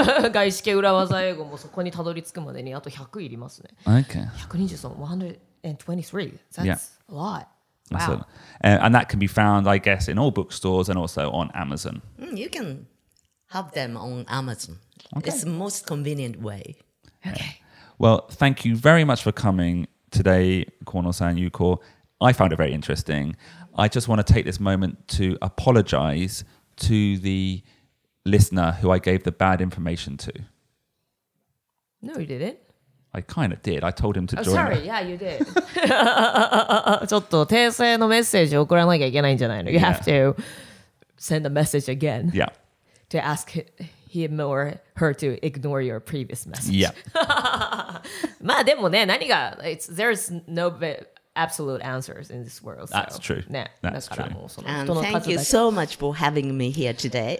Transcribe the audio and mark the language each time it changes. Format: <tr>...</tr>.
<ja>外資系裏技英語もそこにたどり着くまでにあと100いりますね。</ja> <en>Okay. 123, that's a lot. Wow. And that can be found, I guess, in all bookstores and also on Amazon. You can have them on Amazon. Okay. It's the most convenient way. Okay. Well, thank you very much for coming today, Kono-san, Yuko. I found it very interesting. I just want to take this moment to apologize to the listener who I gave the bad information to. No, you didn't. I kind of did. I told him to join. Sorry, yeah, you did.</en> <ja>ちょっと訂正のメッセージを送らなきゃいけないんじゃないの?</ja> <en>You have to send a message again. Yeah. To ask him or her to ignore your previous message. Yeah.</en> <ja>まあでもね、何が、</ja> <en>there's no bit... absolute answers in this world. That's so, true. Yeah, that's true. And thank you so much for having me here today.</en>